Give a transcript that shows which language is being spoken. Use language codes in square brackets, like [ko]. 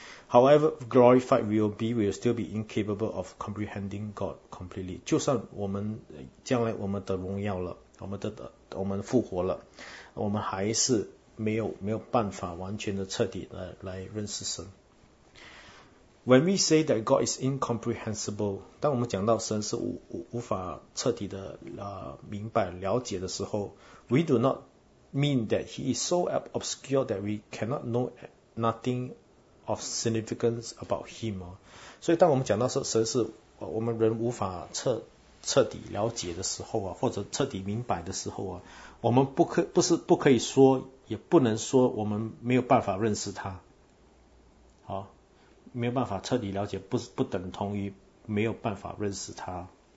[en] However glorified we will be, we will still be incapable of comprehending God completely. [zh] 就算我们将来我们得荣耀了，我们复活了，我们还是没有办法完全的彻底来认识神。 [en] When we say that God is incomprehensible, [zh] 当我们讲到神是 无法彻底的明白了解的时候， [en] we do not mean that he is so obscure that we cannot know nothing of significance about him. [zh] 所以当我们讲到说神是我们人无法彻底了解的时候，或者彻底明白的时候，我们不可以说，也不能说我们没有办法认识他。好，没有办法彻底了解，不等同于没有办法认识他。